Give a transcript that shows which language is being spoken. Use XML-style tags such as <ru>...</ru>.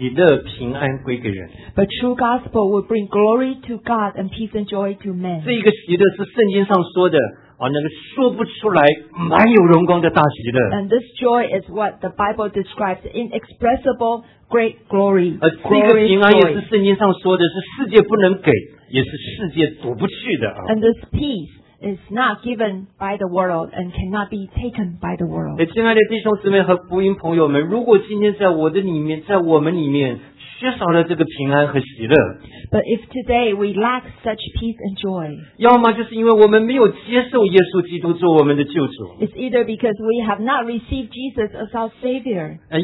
<zh>真实的福音把荣耀归给神，把喜乐平安归给人。</zh> <en>But true gospel will bring glory to God and peace and joy to men.</en> <zh>这一个喜乐是圣经上说的，那个说不出来满有荣光的大喜乐。</zh> <en>And this joy is what the Bible describes inexpressible great glory.</en> <zh>这个平安也是圣经上说的，是世界不能给，也是世界夺不去的。</zh> <en>And this peace. Is not given by the world and cannot be taken by the world.</en> <zh>亲爱的弟兄姊妹和福音朋友们，如果今天在我们里面缺少了这个平安和喜乐，</zh> <en>but if today we lack such peace and joy,</en> <zh>要么就是因为我们没有接受耶稣基督做我们的救主，</zh> <en>it's either because we have not received Jesus as our Savior,</en>